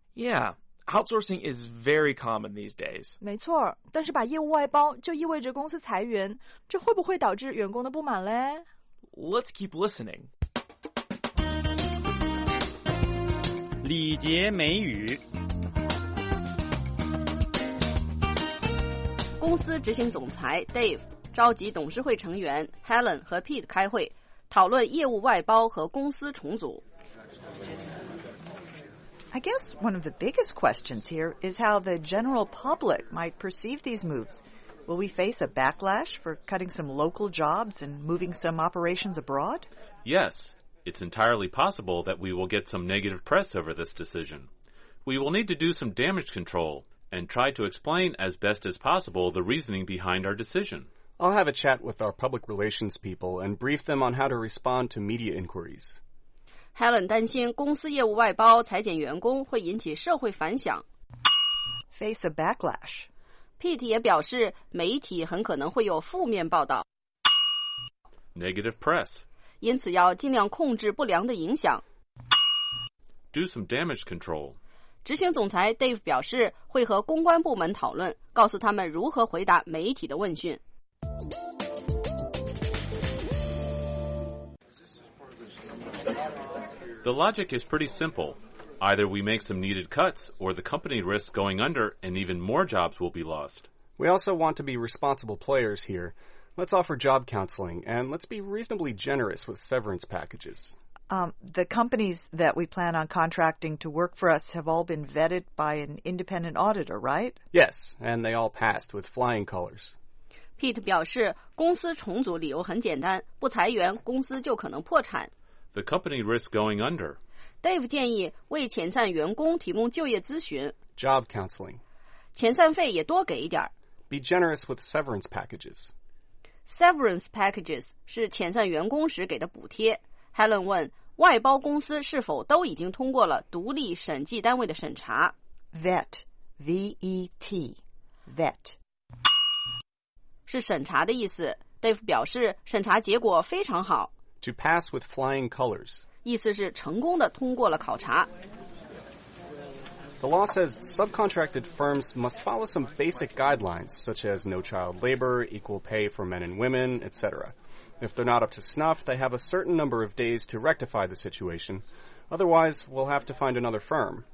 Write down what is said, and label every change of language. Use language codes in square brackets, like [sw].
[en] Yeah, outsourcing is very common these days. [zh] 没错，但是把业务外包就意味着公司裁员，这会不会导致员工的不满嘞？ [en] Let's keep listening. [zh] 礼节美语。公司执行总裁 Dave 召集董事会成员 Helen 和 Pete 开会，讨论业务外包和公司重组。 [en] I guess one of the biggest questions here is how the general public might perceive these moves. Will we face a backlash for cutting some local jobs and moving some operations abroad? Yes. It's entirely possible that we will get some negative press over this decision. We will need to do some damage control and try to explain as best as possible the reasoning behind our decision. I'll have a chat with our public relations people and brief them on how to respond to media inquiries. [zh] Helen 担心公司业务外包裁减员工会引起社会反响。 [en] Face a backlash. [zh] Pete 也表示媒体很可能会有负面报道。 [en] Negative press. [zh] 因此要尽量控制不良的影响。 [en] Do some damage control. [zh] 执行总裁 Dave 表示会和公关部门讨论，告诉他们如何回答媒体的问讯。 [en] The logic is pretty simple. Either we make some needed cuts, or the company risks going under and even more jobs will be lost. We also want to be responsible players here. Let's offer job counseling, and let's be reasonably generous with severance packages. The companies that we plan on contracting to work for us have all been vetted by an independent auditor, right? Yes, and they all passed with flying colors. [zh] Pete 表示公司重组理由很简单，不裁员，公司就可能破产。 [en] The company risks going under. [zh] Dave 建议为遣散员工提供就业咨询。 [en] Job counseling. [zh] 遣散费也多给一点。 [en] Be generous with severance packages. [zh] Severance packages 是遣散员工时给的补贴。 Helen 问，外包公司是否都已经通过了独立审计单位的审查 [en] ？Vet, V-E-T, vet [zh] 是审查的意思。 Dave 表示审查结果非常好。 [en] To pass with flying colors [zh] 意思是成功的通过了考察。 [en] The law says subcontracted firms must follow some basic guidelines, such as no child labor, equal pay for men and women, etc. If they're not up to snuff, they have a certain number of days to rectify the situation. Otherwise, we'll have to find another firm.